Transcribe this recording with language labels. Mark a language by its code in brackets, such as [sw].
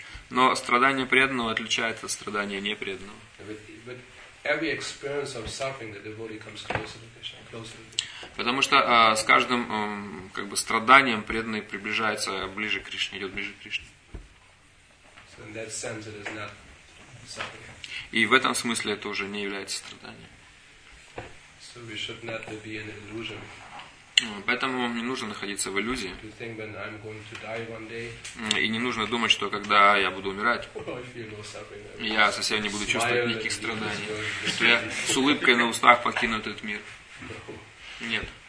[ru] Но страдание преданного отличается от страдания непреданного. [en] Every experience of suffering, the devotee comes closer to Krishna, closer to Krishna. [ru] Потому что с каждым как бы страданием преданный приближается ближе к Кришне, идет ближе к Кришне. [en] So in that sense, it is not suffering. [ru] И в этом смысле это уже не является страданием. [en] So we should not be in illusion. [ru] Поэтому не нужно находиться в иллюзии. [en] To think when I'm going to die one day. [ru] И не нужно думать, что когда я буду умирать, я совсем не буду чувствовать никаких страданий, что я с улыбкой на устах покину этот мир. Нет.